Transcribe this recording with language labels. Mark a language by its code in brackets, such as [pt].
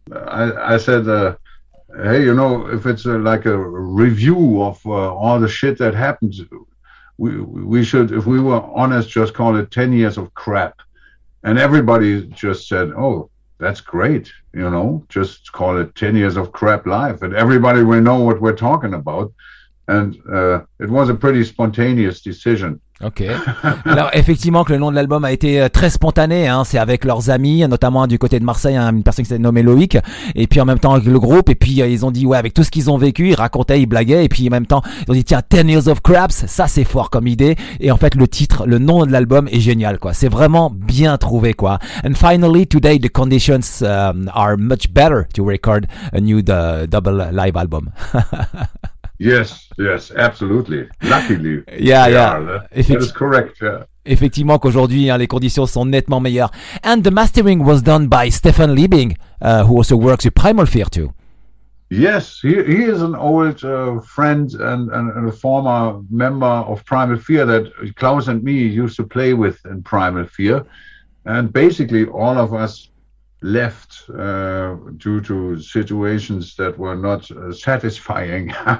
[en] I said, hey, you know, if it's like a review of all the shit that happened, we should, if we were honest, just call it 10 Years of Crap. And everybody just said, oh, that's great, you know, just call it 10 Years of Crap Live. And everybody will know what we're talking about. And it was a pretty spontaneous decision. Ok. [fr] Alors effectivement que le nom de l'album a été très spontané hein. C'est avec leurs amis, notamment du côté de Marseille hein, une personne qui s'est nommée Loïc, et puis en même temps avec le groupe. Et puis ils ont dit ouais, avec tout ce qu'ils ont vécu, ils racontaient, ils blaguaient, et puis en même temps ils ont dit tiens, 10 Years of Craps, ça c'est fort comme idée. Et en fait le titre, le nom de l'album est génial quoi, c'est vraiment bien trouvé quoi. [en] And finally today the conditions are much better to record a new double live album. Yes, absolutely. Luckily. That is correct. Yeah. [fr] Effectivement qu'aujourd'hui, hein, les conditions sont nettement meilleures. [en] And the mastering was done by Stefan Liebing, who also works with Primal Fear too. Yes, he is an old friend and a former member of Primal Fear that Klaus and me used to play with in Primal Fear. And basically all of us left due to situations that were not satisfying.